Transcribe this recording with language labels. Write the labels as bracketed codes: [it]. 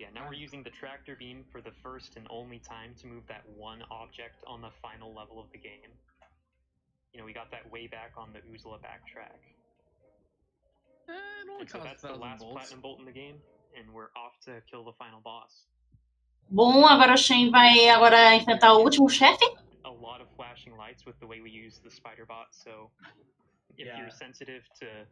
[en] Using the tractor beam for the first and only time to move that one object on the final level of the game. You know, we got that way back on the Uzla backtrack. And so that's the last bolts. Platinum bolt in the game, and we're off to kill the final boss. [pt] Bom, agora o Shen vai agora enfrentar o último chefe. [en] A lot of flashing lights with the way we use the spider bot, so if you're sensitive to